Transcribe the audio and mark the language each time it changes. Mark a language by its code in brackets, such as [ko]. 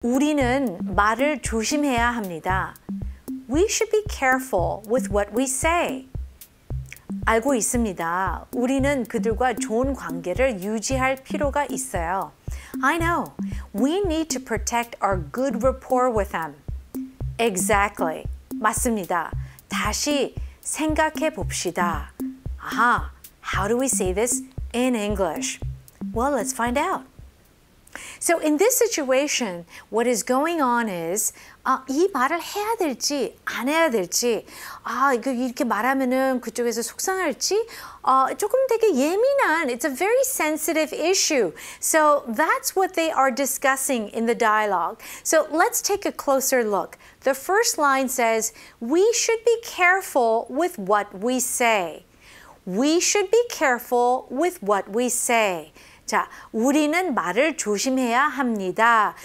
[ko] 우리는 말을 조심해야 합니다. [en] We should be careful with what we say. [ko] 알고 있습니다. 우리는 그들과 좋은 관계를 유지할 필요가 있어요. [en] I know. We need to protect our good rapport with them. [ko] Exactly. 맞습니다. 다시 생각해 봅시다. Aha. [en] How do we say this in English? Well, let's find out. So in this situation, what is going on is [ko] 이 말을 해야 될지 안 해야 될지 이거 이렇게 말하면은 그쪽에서 속상할지 조금 되게 예민한 [en] it's a very sensitive issue. So that's what they are discussing in the dialogue. So let's take a closer look. The first line says, "We should be careful with what we say." We should be careful with what we say. [ko] 자, 우리는 말을 조심해야 합니다.